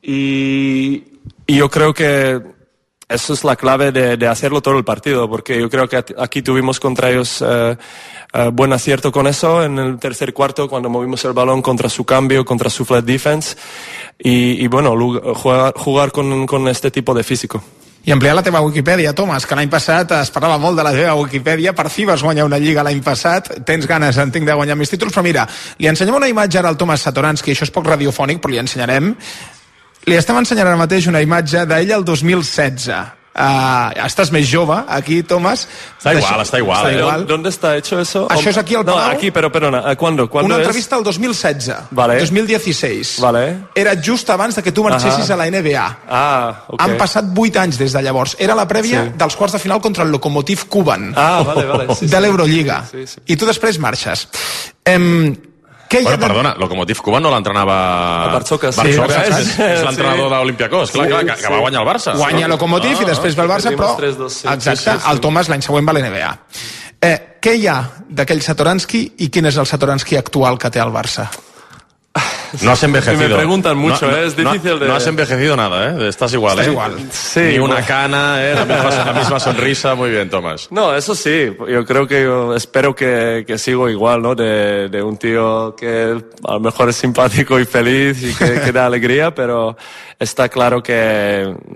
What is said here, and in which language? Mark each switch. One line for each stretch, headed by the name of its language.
Spanish: Y yo creo que eso es la clave de hacerlo todo el partido, porque yo creo que aquí tuvimos contra ellos buen acierto con eso en el tercer cuarto, cuando movimos el balón contra su cambio, contra su flat defense. Y bueno, jugar con este tipo de físico.
Catalan: I ampliar la teva Wikipedia, Tomàs, que l'any passat es parlava molt de la teva Wikipedia, per fi vas guanyar una lliga l'any passat, tens ganes, en tinc, de guanyar més títols, però mira, li ensenyem una imatge ara al Tomàs Satoranski, això és poc radiofònic, però li ensenyarem. Li estem ensenyant ara mateix una imatge d'ell el 2016. Estàs més jove aquí, Tomàs. Està igual.
Spanish: ¿Dónde está hecho eso?
Catalan: Això és aquí al Palau.
Spanish: No, aquí, pero perdona, ¿cuándo?
Catalan: Una entrevista al 2016. Vale. 2016. Vale. Era just abans que tu marxessis a la NBA. Ah, ok. Han passat 8 anys des de llavors. Era la prèvia dels quarts de final contra el Lokomotiv Kuban. Ah, vale, vale. Sí, de l'Eurolliga. Sí. I tu després marxes. Bueno, perdona, Lokomotiv Kuban no l'entrenava... Barçokas. Sí, Barçokas, és l'entrenador d'Olympiacos, que va guanyar el Barça. Guanya Lokomotiv i després va el Barça, però... 3-2, sí, exacte, sí. El Tomàs l'any següent va a l'NBA. Què hi ha d'aquell Satoranski i quin és el Satoranski actual que té el Barça?
Spanish: No has envejecido. Si me preguntan mucho, es difícil No has envejecido nada, estás igual. Estás igual. Sí, ni una cana, la misma sonrisa. Muy bien, Tomás. No, eso sí, yo creo que espero que sigo igual, ¿no? De un tío que a lo mejor es simpático y feliz y que da alegría, pero está claro que,